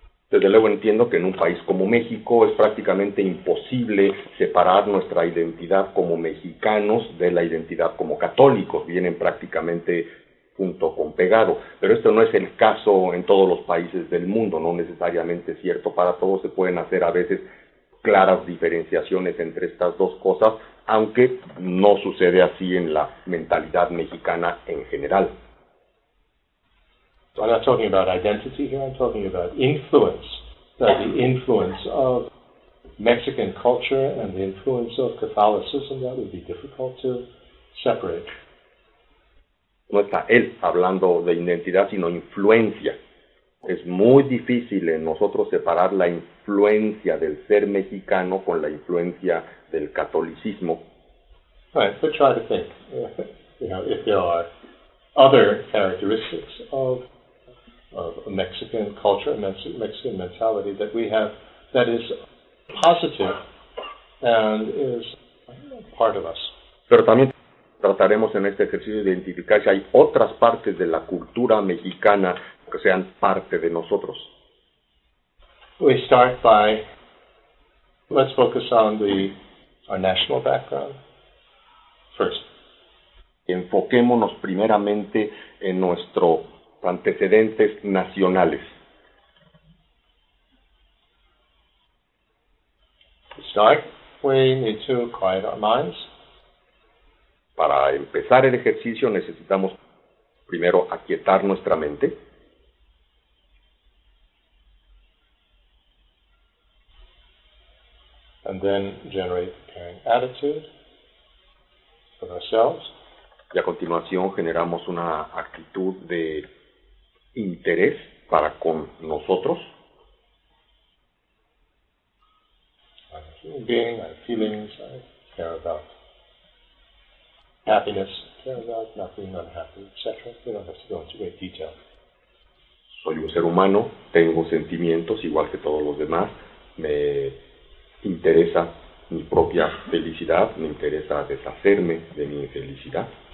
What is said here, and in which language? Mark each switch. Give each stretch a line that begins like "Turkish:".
Spanish: Desde luego entiendo que en un país como México es prácticamente imposible separar nuestra identidad como mexicanos de la identidad como católicos. Vienen prácticamente junto con pegado. Pero esto no es el caso en todos los países del mundo, no necesariamente es cierto. Para todos se pueden hacer a veces claras diferenciaciones entre estas dos cosas, aunque no sucede así en la mentalidad mexicana en general.
English: I'm not talking about identity here, I'm talking about influence, that the influence of Mexican culture and the influence of Catholicism, that would be difficult to separate.
Spanish: No está él hablando de identidad, sino influencia. Es muy difícil en nosotros separar la influencia del ser mexicano con la influencia del catolicismo.
English: Right, but try to think, you know, if there are other characteristics of Mexican culture, Mexican mentality that we have that is positive and is part of us.
Spanish: Pero también trataremos en este ejercicio de identificar si hay otras partes de la cultura mexicana que sean parte de nosotros.
English: We start by, let's focus on our national background. First,
Spanish: enfoquémonos primeramente en nuestros antecedentes nacionales.
English: To start, we need to quiet our minds.
Spanish: Para empezar el ejercicio necesitamos primero aquietar nuestra mente.
English: And then generate a caring attitude. For ourselves.
Spanish: Y a continuación generamos una actitud de interés para con nosotros.
English: I'm a human being, I have feelings, I care about happiness, care about not being unhappy, etc. We don't have to go into great detail.
Spanish: Soy un ser humano, tengo sentimientos igual que todos los demás, me interesa mi propia felicidad, me interesa deshacerme de mi infelicidad.